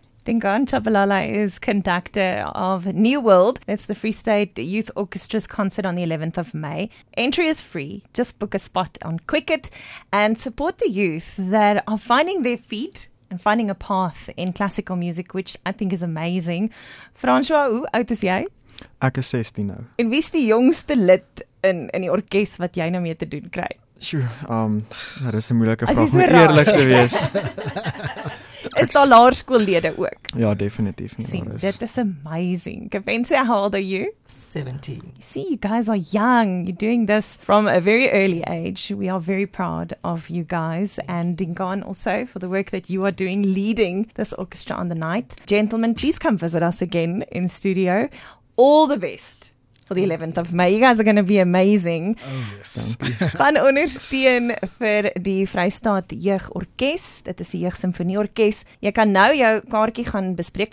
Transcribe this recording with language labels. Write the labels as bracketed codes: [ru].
[en] Dingaan Tshabalala is conductor of New World. It's the Free State Youth Orchestra's concert on the 11th of May. Entry is free. Just book a spot on Cricket and support the youth that are finding their feet and finding a path in classical music, which I think is amazing. [af] François, hoe oud is jy? Ek is 16 nou. En wie is die jongste lid in die orkest wat jy nou mee te doen kry? Sjoe, dit is 'n moeilike vraag om eerlik te wees. Is daar laerskoollede ook? Ja, definitief. [en] See, that is amazing. Kefense, how old are you? 17. See, you guys are young. You're doing this from a very early age. We are very proud of you guys. And Dingaan also for the work that you are doing leading this orchestra on the night. Gentlemen, please come visit us again in studio. All the best for the 11th of May. You guys are going to be amazing. Oh, yes. [af] Gaan ondersteun vir die Vrystaat Jeug Orkest. Dit is die Jeug Simfonie Orkest. Jy kan nou jou kaartjie gaan bespreek.